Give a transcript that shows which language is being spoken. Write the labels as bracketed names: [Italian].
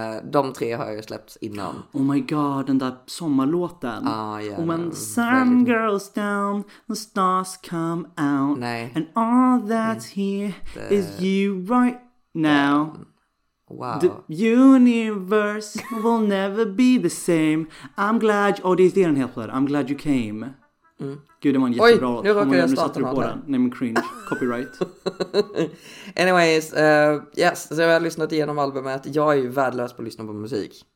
[Swedish] De tre har jag släppt innan. [English] Oh my god, [Swedish] den där sommarlåten. [English] Yeah, oh, when the sun goes down, the stars come out. [Swedish] Nej. [English] And all that's here is you right now. Wow. The universe will never be the same. I'm glad you, [Swedish] det är den här plattan. [English] I'm glad you came. [Swedish] Gud, det var en jättebra låt. Oj, nu råkar jag starta på den. Nej, men cringe. Copyright. [English] Anyways, yes, [Swedish] så jag har lyssnat igenom albumet. Jag är ju värdelös på att lyssna på musik.